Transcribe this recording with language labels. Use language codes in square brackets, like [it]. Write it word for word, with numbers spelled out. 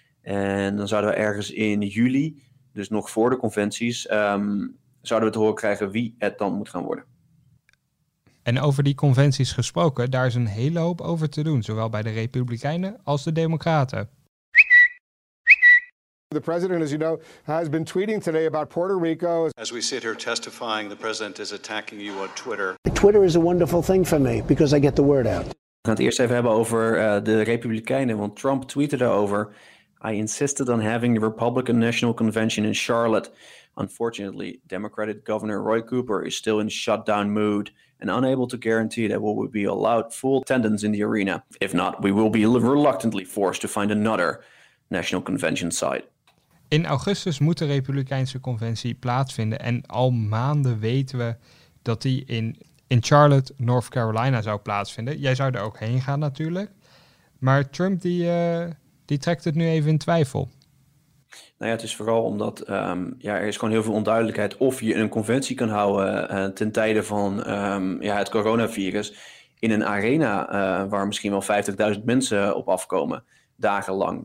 [nl] En dan zouden we ergens in juli, dus nog voor de conventies... Um, zouden we te horen krijgen wie het dan moet gaan worden. En over die conventies gesproken, daar is een hele hoop over te doen. Zowel bij de Republikeinen als de Democraten. [en] The president, as you know, has been tweeting today about Puerto Rico. As we sit here testifying, the president is attacking you on Twitter. Twitter is a wonderful thing for me because I get the word out. [nl] We gaan het eerst even hebben over uh, de Republikeinen, want Trump tweette daarover. [en] I insisted on having the Republican National Convention in Charlotte. Unfortunately, Democratic Governor Roy Cooper is still in shutdown mood and unable to guarantee that we will be allowed full attendance in the arena. If not, we will be reluctantly forced to find another national convention site. [nl] In augustus moet de Republikeinse conventie plaatsvinden en al maanden weten we dat die in, in Charlotte, North Carolina zou plaatsvinden. Jij zou er ook heen gaan natuurlijk, maar Trump die, uh, die trekt het nu even in twijfel. Nou ja, het is vooral omdat um, ja, er is gewoon heel veel onduidelijkheid of je een conventie kan houden uh, ten tijde van um, ja, het coronavirus in een arena uh, waar misschien wel vijftigduizend mensen op afkomen dagenlang.